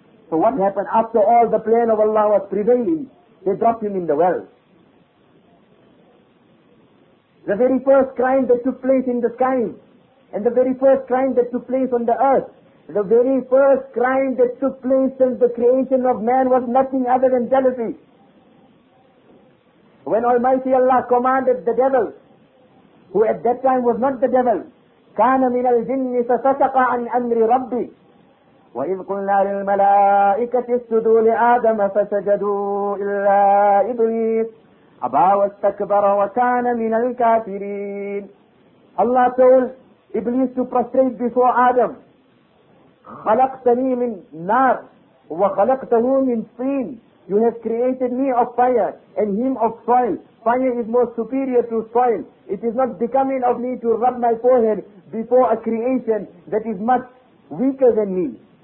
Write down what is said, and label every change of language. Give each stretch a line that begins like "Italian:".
English: So what happened after all the plan of Allah was prevailing? They dropped him in the well. The very first crime that took place in the sky, and the very first crime that took place on the earth, the very first crime that took place since the creation of man was nothing other than jealousy. When Almighty Allah commanded the devil,
Arabic: who at that time was not the devil, كَانَ مِنَ الْجِنِّ فَسَسَقَ عَنْ أَمْرِ رَبِّي وَإِذْ قُلْنَا لِلْمَلَائِكَةِ اسْجُدُوا لِآدَمَ فَسَجَدُوا إِلَّا إِبْلِيسَ أَبَى وَاسْتَكْبَرَ وَكَانَ مِنَ الْكَافِرِينَ.
English: Allah told Iblis to prostrate before Adam.
Arabic: خَلَقْتَنِي مِنْ نَارٍ وَخَلَقْتَهُ مِنْ طِينٍ.
English: You have created me of fire and him of soil. Fire is more superior to soil. It is not becoming of me to rub my forehead before a creation that is much weaker than me.